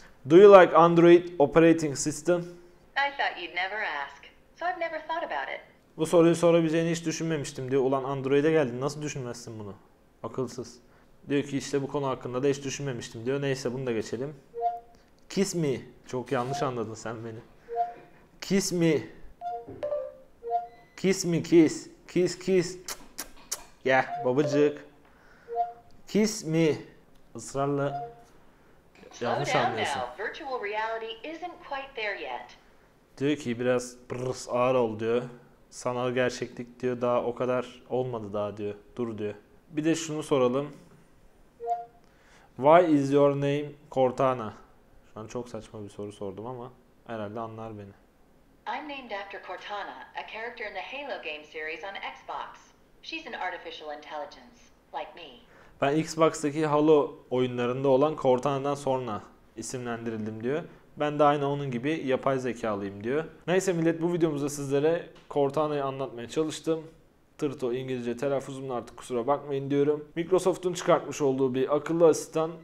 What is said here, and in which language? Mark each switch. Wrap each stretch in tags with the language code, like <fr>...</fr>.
<en>Do you like Android operating system? I thought you'd never ask. So I've never thought about it.</en> <tr>Bu soruyu sorabileceğini hiç düşünmemiştim diyor. Ulan Android'e geldin, nasıl düşünmezsin bunu? Akılsız. Diyor ki işte bu konu hakkında da hiç düşünmemiştim diyor. Neyse bunu da geçelim.</tr> <en>Kiss me.</en> <tr>Çok yanlış anladın sen beni.</tr> <en>Kiss me. Kiss me kiss. Kiss kiss. Ya yeah, babacık. Kiss me.</en> <tr>Israrla yanlış anlıyorsun.</tr> <en>Virtual reality isn't quite there yet.</en> <tr>Diyor ki biraz brrrs, ağır ol diyor. Sanal gerçeklik diyor daha o kadar olmadı daha diyor. Dur diyor. Bir de şunu soralım.</tr> <en>Why is your name Cortana?</en> <tr>Ben çok saçma bir soru sordum ama herhalde anlar beni.</tr> <en>I'm named after Cortana, a character in the Halo game series on Xbox. She's an artificial intelligence, like me.</en> <tr>Ben Xbox'taki Halo oyunlarında olan Cortana'dan sonra isimlendirildim diyor. Ben de aynı onun gibi yapay zekalıyım diyor. Neyse millet, bu videomuzda sizlere Cortana'yı anlatmaya çalıştım. Tırto İngilizce telaffuzumla artık kusura bakmayın diyorum. Microsoft'un çıkartmış olduğu bir akıllı asistan.</tr>